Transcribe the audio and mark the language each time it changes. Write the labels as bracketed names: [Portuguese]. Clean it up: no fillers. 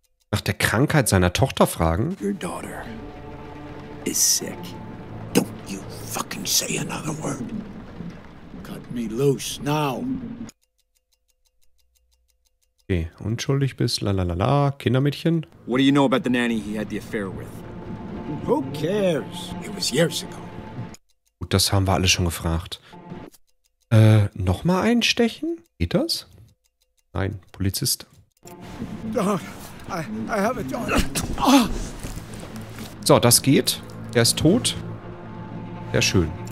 [German] Nach der Krankheit seiner Tochter fragen? [English] Your daughter is sick. Don't you fucking say another word. Cut me loose now. [German] Okay, unschuldig bist, lalalala, Kindermädchen. [English] What do you know about the nanny he had the affair with? Who cares? It was years ago. [German] Gut, das haben wir alle schon gefragt. Nochmal einstechen? Geht das? Nein, Polizist. [English] I have a daughter. [German] So, das geht. Er ist tot. Sehr schön.